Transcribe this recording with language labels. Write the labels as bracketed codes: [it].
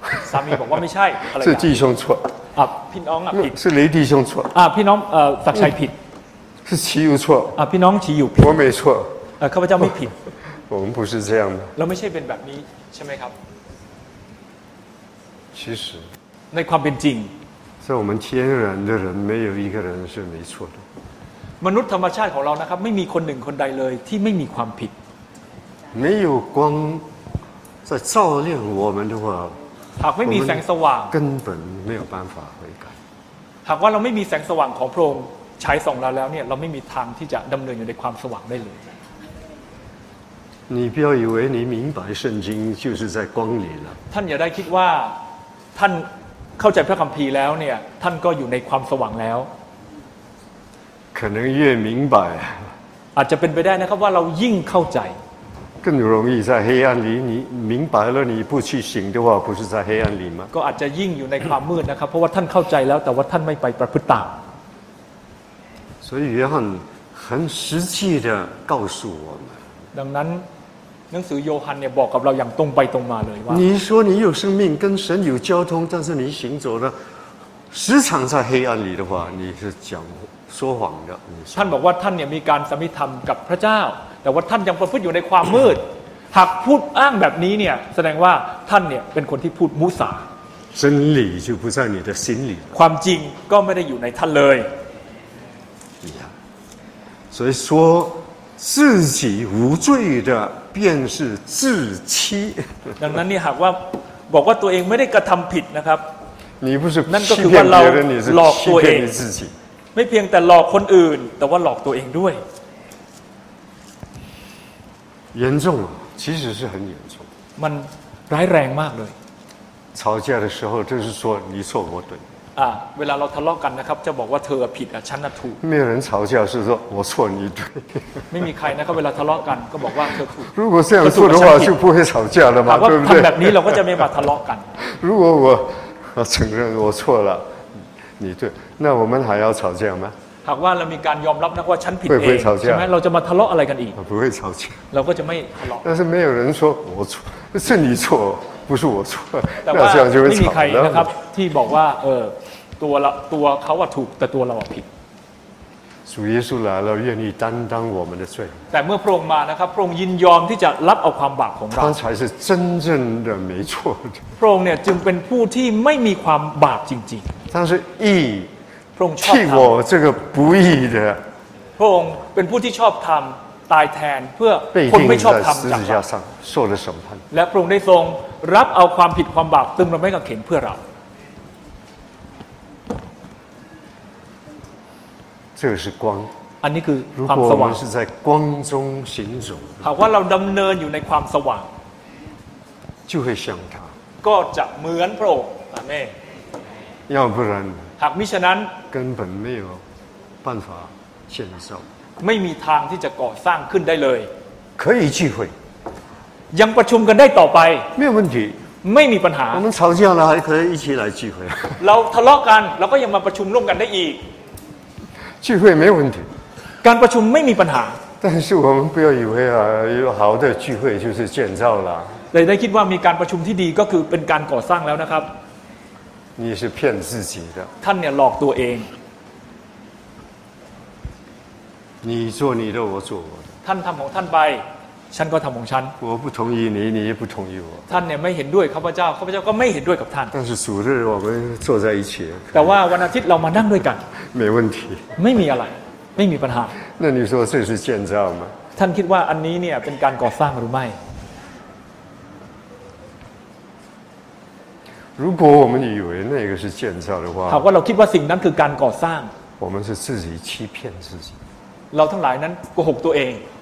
[th] สามีบอกว่าไม่ใช่ภรรยา [zh] 是弟兄错 [th] พี่น้องผิด [zh] 是雷弟兄错 [th] พี่น้องศักชัยผิด [zh] 是齐友错 [th] พี่น้อง齐友ผิด [zh] 我没错 [th] ข้าพเจ้าไม่ผิด [zh] 我们不是这样的 [th] เราไม่ใช่เป็นแบบนี้ใช่ไหมครับ [zh] 其实 [th] ในความเป็นจริง [zh] ใน我们天然的人没有一个人是没错的 [th] มนุษย์ธรรมชาติของเรานะครับไม่มีคนหนึ่งคนใดเลยที่ไม่มีความผิด [zh] 没有光在照亮我们的话 [th] หากไม่มีแสงสว่าง [zh] 根本没有办法悔改 [th] หากว่าเราไม่มีแสงสว่างของพระองค์ฉายส่องเราแล้วเนี่ยเราไม่มีทางที่จะดำเนินอยู่ในความสว่างได้เลย [zh] 你不要以为你明白圣经就是在光里了 [th] ท่านอย่าได้คิดว่าท่านเข้าใจพระคัมภีร์แล้วเนี่ยท่านก็อยู่ในความสว่างแล้ว [zh] 可能越明白 [th] อาจจะเป็นไปได้นะครับว่าเรายิ่งเข้าใจ [zh] 更容易在黑暗里，你明白了，你不去醒的话，不是在黑暗里吗？ [th] ก็อาจจะยิ่งอยู่ในความมืดนะครับเพราะว่าท่านเข้าใจแล้วแต่ว่าท่านไม่ไปประพฤติตาม [zh] 所以约翰很实际的告诉我们。 [th] ดังนั้นหนังสือโยฮันเนี่ยบอกกับเราอย่างตรงไปตรงมาเลยว่า [zh] 你说你有生命跟神有交通，但是你行走的时常在黑暗里的话，你是讲说谎的。 [th] ท่านบอกว่าท่านเนี่ยมีการสมิธรรมกับพระเจ้าแต่ว่าท่านยังประพฤติอยู่ในความมืด หากพูดอ้างแบบนี้เนี่ยแสดงว่าท่านเนี่ยเป็นคนที่พูดมุสา [zh] 真理就不在你的心里 [th] ความจริงก็ไม่ได้อยู่ในท่านเลย [zh] 所以说自己无罪的便是自欺 [th] ดังนั้นนี่หากว่าบอกว่าตัวเองไม่ได้กระทำผิดนะครับ [zh] 你不是 [th] นั่นก็คือว่าเราหลอกตัวเอง [zh] 自己 [th] ไม่เพียงแต่หลอกคนอื่นแต่ว่าหลอกตัวเองด้วย [zh] 严重啊，其实是很严重。 [th] มันร้ายแรงมากเลย。 [zh] 吵架的时候就是说你错我对。 [th] เวลาเราทะเลาะกันนะครับจะบอกว่าเธอผิดอ่ะฉันน่ะถูก。 [zh] 没有人吵架是说我错你对。 [th] ไม่มีใครนะครับเวลาทะเลาะกันก็บอกว่าเธอถูก。 [zh] 如果这样做的话就不会吵架了嘛，对不对？ [th] ถ้าทำแบบนี้เราก็จะไม่มาทะเลาะกัน。 [zh] 如果我承认我错了，你对，那我们还要吵架吗？ [th] หากว่าเรามีการยอมรับนะว่าฉันผิดเองใช่ ไหมเราจะมาทะเลาะอะไรกันอีก [zh] ไม่会吵架 [th] เราก็จะไม่ทะเลาะ [zh] 但是没有人说我错是你错不是我错 [th] แต่ว่าไม่มีใครนะครับที่บอกว่าตัวเขาถูกแต่ตัวเราผิด [zh] 主耶稣来了愿意担当我们的罪 [th] แต่เมื่อพระองค์มานะครับพระองค์ยินยอมที่จะรับเอาความบาปของเรา [zh] 他才是真正的没错 [th] พระองค์เนี่ยจึงเป็นผู้ที่ไม่มีความบาปจริง [zh] ๆ但是义替我这个不义的， [th] พระองค์เป็นผู้ที่ชอบธรรมตายแทนเพื่อคนไม่ชอบธรรม จากเรา ได้ชดใช้และ พระองค์ได้ทรงรับเอาความผิดความบาปตึงระไม้กางเขนเพื่อเรา [zh] 这是光 [th] อันนี้คือความสว่าง [zh] 是在光中行走 [th] หากว่าเราดำเนินอยู่ในความสว่าง [zh] 就会像他 [th] ก็จะเหมือนพระองค์อาเมน [zh] 要不然 [th] หากมิฉะนั้น [zh] 根本没有办法建造 [th] ไม่มีทางที่จะก่อสร้างขึ้นได้เลย [zh] 可以聚会 [th] ยังประชุมกันได้ต่อไป [zh] 没有问题 [th] ไม่มีปัญหา [zh] 我们吵架了还可以一起来聚会 [th] เราทะเลาะกันเราก็ยังมาประชุมร่วมกันได้อีก [zh] 聚会没问题 [th] การประชุมไม่มีปัญหา [zh] 但是我们不要以为啊有好的聚会就是建造了 [th] เลยได้คิดว่ามีการประชุมที่ดีก็คือเป็นการก่อสร้างแล้วนะครับ [zh] 你是骗自己的 [th] ท่านเนี่ยหลอกตัวเอง [zh] 你做你的我做我的 [th] ท่านทำของท่านไปฉันก็ทำของฉัน [zh] 我不同意你你也不同意我 [th] ท่านเนี่ยไม่เห็นด้วยข้าพเจ้าข้าพเจ้าก็ไม่เห็นด้วยกับท่าน [zh] 但是主日我们坐在一起 [th] แต่ว่าวันอาทิตย์เรามานั่งด้วยกัน [zh] 没问题 [th] ไม่มีอะไรไม่มีปัญหา [zh] 那你说这是建造吗 [th] ท่านคิดว่าอันนี้เนี่ยเป็นการก่อสร้างหรือไม่ [zh] 如果我们以为那个是建造的话，好，我们 [th] คิดว่าสิ่งนั้นคือการก่อสร้าง。 [zh] 我们是自己欺骗自己。 [th] เราทั้งหลายนั้นโกหกตัวเอง。